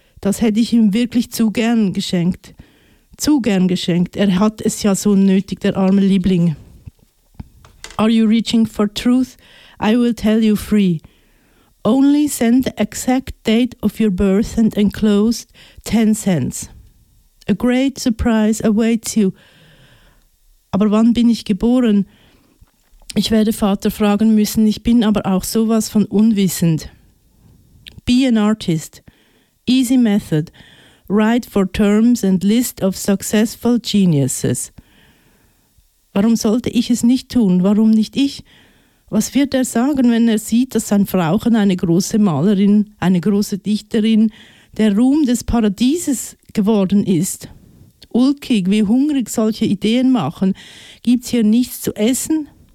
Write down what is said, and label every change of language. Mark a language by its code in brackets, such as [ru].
[de] Das hätte ich ihm wirklich zu gern geschenkt. Zu gern geschenkt. Er hat es ja so nötig, der arme Liebling. [en] Are you reaching for truth? I will tell you free. Only send the exact date of your birth and enclosed 10 cents. A great surprise awaits you. [de] Aber wann bin ich geboren? Ich werde Vater fragen müssen. Ich bin aber auch sowas von unwissend. [en] Be an artist. Easy method. Write for terms and list of successful geniuses. [de] Warum sollte ich es nicht tun? Warum nicht ich? Was wird er sagen, wenn er sieht, dass sein Frauchen eine große Malerin, eine große Dichterin, der Ruhm des Paradieses geworden ist? Ulkig, wie hungrig solche Ideen machen. Gibt's hier nichts zu essen?